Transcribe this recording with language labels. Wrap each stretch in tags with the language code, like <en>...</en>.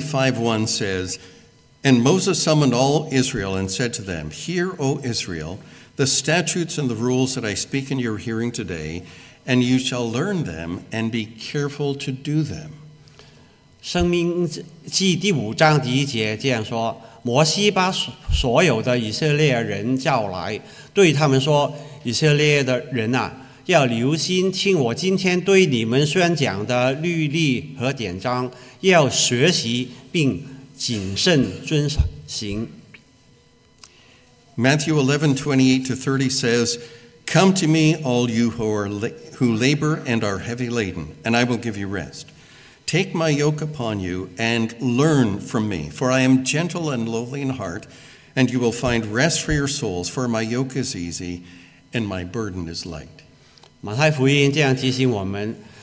<en>5:1 says, And Moses summoned all Israel and said to them, Hear, O Israel, the statutes and the rules that I speak in your hearing today, and you shall learn them and be careful to do them.</en> <zh>生命记第五章第一节这样说：“摩西把所有的以色列人叫来，对他们说：‘以色列的人啊，要留心听我今天对你们宣讲的律例和典章，要学习并谨慎遵行。’”Matthew</zh> <en>11:28-30 says, "Come to me, all you who labor and are heavy laden, and I will give you rest." Take my yoke upon you and learn from me, for I am gentle and lowly in heart, and you will find rest for your souls, for my yoke is easy and my burden is light.</en> <zh>马太福音这样提醒我们,</zh>